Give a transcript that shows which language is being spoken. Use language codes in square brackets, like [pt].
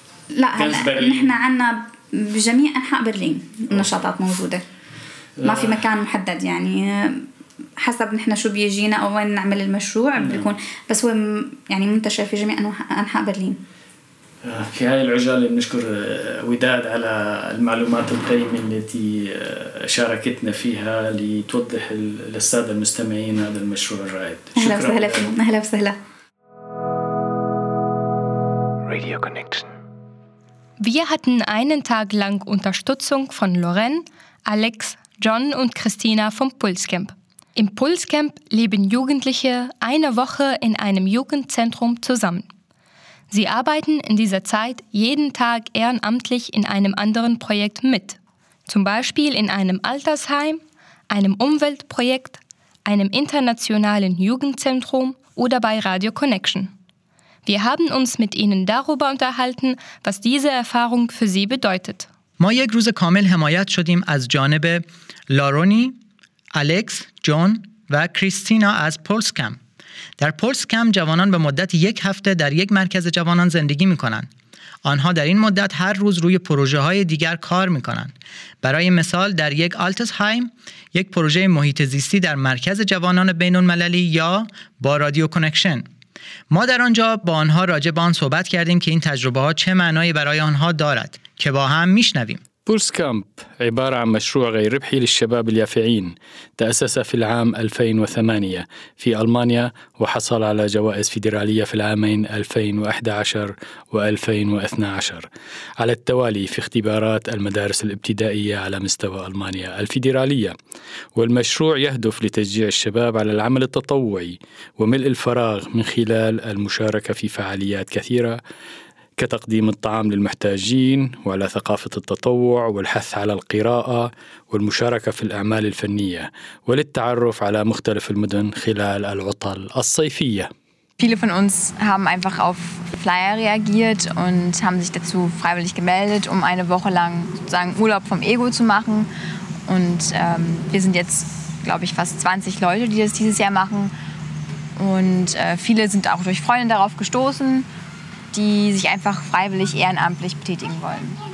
[ar] لا هلا نحن عنا بجميع أنحاء برلين النشاطات موجودة ما في مكان محدد يعني حسب نحن شو بيجينا أو وين نعمل المشروع بيكون بس هو يعني منتشر في جميع أنحاء برلين في هاي العجالة بنشكر وداد على المعلومات القيمة التي شاركتنا فيها لتوضح للسادة المستمعين هذا المشروع الرائد أهلا وسهلا فيكم أهلا وسهلا [de] Radio Connection. Wir hatten einen Tag lang Unterstützung von Loren, Alex, John und Christina vom Pulscamp. Im Pulscamp leben Jugendliche eine Woche in einem Jugendzentrum zusammen. Sie arbeiten in dieser Zeit jeden Tag ehrenamtlich in einem anderen Projekt mit, zum Beispiel in einem Altersheim, einem Umweltprojekt, einem internationalen Jugendzentrum oder bei Radio Connection. Wir haben uns mit ihnen darüber unterhalten, was diese Erfahrung für sie bedeutet. [fa] ما یک روز کامل حمایت شدیم از جانب لارونی، الکس، جون و کریستینا از پولسکم. در پولسکم جوانان به مدت یک هفته در یک مرکز جوانان زندگی می کنند. آنها در این مدت هر روز روی پروژه های دیگر کار می کنند. برای مثال در یک آلتسهایم، یک پروژه محیط زیستی در مرکز جوانان بین المللی یا با رادیو کنکشن، ما در آنجا با آنها راجع به آن صحبت کردیم که این تجربه ها چه معنایی برای آنها دارد که با هم میشنویم. [ar] بولس كامب عبارة عن مشروع غير ربحي للشباب اليافعين، تأسس في العام 2008 في ألمانيا وحصل على جوائز فيدرالية في العامين 2011 و2012 على التوالي في اختبارات المدارس الابتدائية على مستوى ألمانيا الفيدرالية. والمشروع يهدف لتشجيع الشباب على العمل التطوعي وملء الفراغ من خلال المشاركة في فعاليات كثيرة كتقديم الطعام للمحتاجين وعلى ثقافة التطوع والحث على القراءة والمشاركة في الأعمال الفنية وللتعرف على مختلف المدن خلال العطل الصيفية. [de] Viele von uns haben einfach auf Flyer reagiert und haben sich dazu freiwillig gemeldet, um eine Woche lang sozusagen Urlaub vom Ego zu machen. Und wir sind jetzt, glaube ich, fast 20 Leute, die das dieses Jahr machen. Und viele sind auch durch Freunde darauf gestoßen, die sich einfach freiwillig ehrenamtlich betätigen wollen.